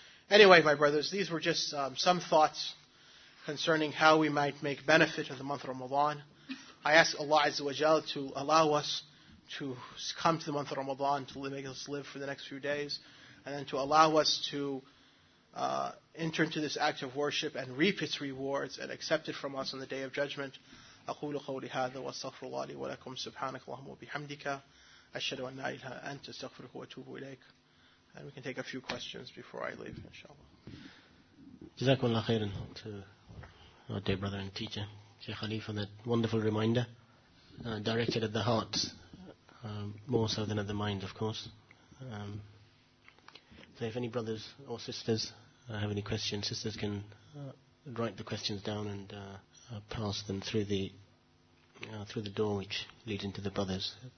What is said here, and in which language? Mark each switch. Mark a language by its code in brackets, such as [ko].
[en] Anyway, my brothers, these were just some thoughts concerning how we might make benefit of the month of Ramadan. I ask Allah Azza wa Jal to allow us to come to the month of Ramadan, to make us live for the next few days, and then to allow us to enter into this act of worship and reap its rewards and accept it from us on the Day of Judgment. [ar] أقول قولي هذا واستغفر الله لي ولكم سبحانك اللهم وبحمدك أشهد أن لا إله إلا أنت استغفرك وأتوب إليك. [en] And we can take a few questions before I leave, inshallah. [ar] جزاكم الله خيرا [en] to our dear brother and teacher Sheikh Khalifa, that wonderful reminder directed at the heart more so than at the mind, of course. So if any brothers or sisters have any questions, sisters can write the questions down and pass them through the door which leads into the brothers.